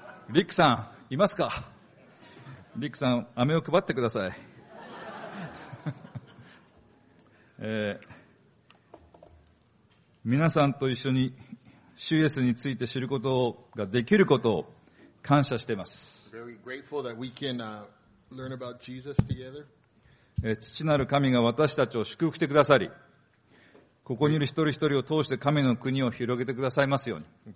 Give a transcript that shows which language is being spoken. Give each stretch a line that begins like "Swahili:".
Japanese: リックさん、いますか？リックさん、飴を配ってください。皆さんと一緒に、主イエスについて知ることができることを感謝しています。
English: Very grateful that we can, learn about Jesus together.
Japanese: 父なる神が私たちを祝福してくださり、ここにいる一人一人を通して神の国を広げてくださいますように。